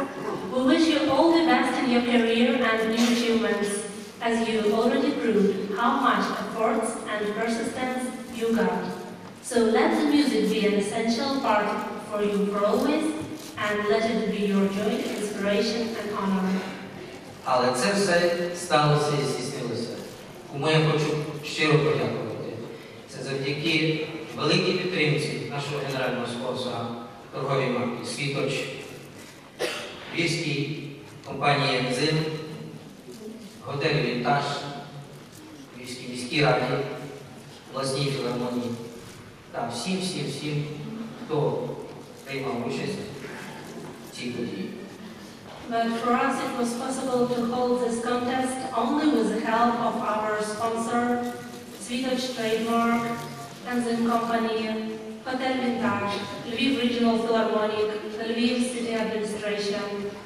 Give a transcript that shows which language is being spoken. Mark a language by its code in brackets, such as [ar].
[en] We wish you all the best in your career and new achievements, as you already proved how much effort and persistence you got. So let the music be an essential part for you for always, and let it be your joy, inspiration and honor. [uk] Але це все сталося і здійснилося. Кому я хочу щиро подякувати? Це завдяки великій підтримці нашого генерального спонсора, торгові марки «Світоч», львівській компанії «Ензим», готелю «Вінтаж», львівській міській раді, власній філармонії та всім, хто приймав участь в цій події. [en] But for us it was possible to hold this contest only with the help of our sponsor, Svitoch Trademark, Enzym Company, Hotel Vintage, Lviv Regional Philharmonic, Lviv City Administration.